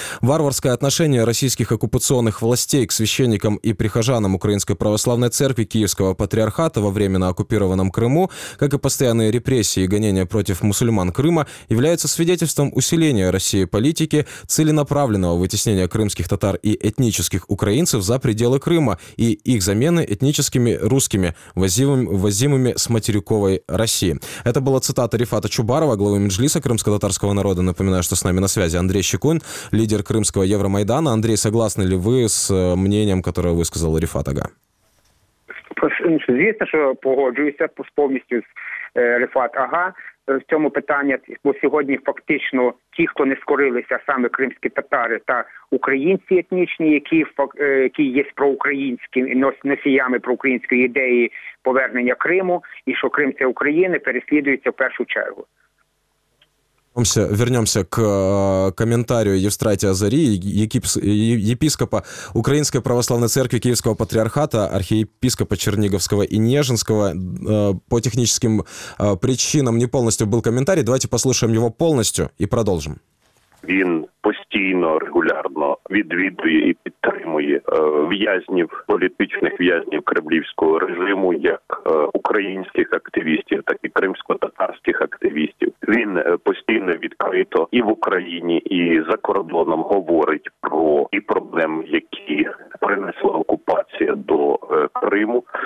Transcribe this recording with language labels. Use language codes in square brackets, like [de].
[ru] «Варварское отношение российских оккупационных властей к священникам и прихожанам Украинской православной церкви Киевского патриархата во время на оккупированном Крыму, как и постоянные репрессии и гонения против мусульман Крыма, являются свидетельством усиления России политики, целенаправленного вытеснения крымских татар и этнических украинцев за пределы Крыма и их замены этническими русскими, возимыми с материковой России». Это была цитата Рифата Чубарова, главы Меджлиса крымско-татарского народа. Напоминаю, что с нами на связи Андрей Щекун, лидер крымского Евромайдана. Андрей, согласны ли вы с мнением, которое высказал Рифат Ага? [uk] Звісно, що погоджуюся повністю з Рифат Ага в цьому питанні, бо сьогодні фактично ті, хто не скорилися, саме кримські татари та українці етнічні, які є проукраїнськими носіями проукраїнської ідеї повернення Криму, і що Крим – це України, переслідуються в першу чергу. [ru] Вернемся к комментарию Евстратия Азарии, епископа Украинской Православной Церкви Киевского Патриархата, архиепископа Черниговского и Нежинского. По техническим причинам не полностью был комментарий. Давайте послушаем его полностью и продолжим. [uk] Він постійно, регулярно відвідує і підтримує в'язнів, політичних в'язнів кремлівського режиму, як українських активістів, так і кримсько-татарських активістів. Він постійно відкрито і в Україні, і за кордоном говорить про ті проблеми, які принесла окупація до Криму.